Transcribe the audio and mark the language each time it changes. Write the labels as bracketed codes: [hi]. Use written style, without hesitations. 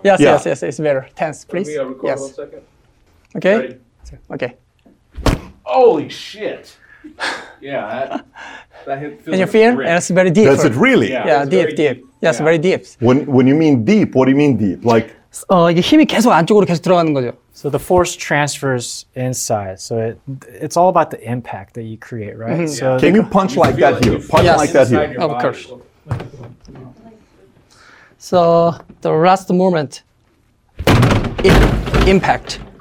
[en] Yes. It's better. Tense, please. Can we record yes. a second? Okay. Ready? Okay. Holy shit. Yeah. That feels and you feel? Like and it's very deep. Does it really? Yeah, deep. Yes, yeah. Very deep. When you mean deep, what do you mean deep? Like... [ko] 이게 힘이 계속 안쪽으로 계속 들어가는 거죠. [en] So the force transfers inside. So it's all about the impact that you create, right? Mm-hmm. So can you punch like that here? Punch like that here. Of course. So the last moment, impact.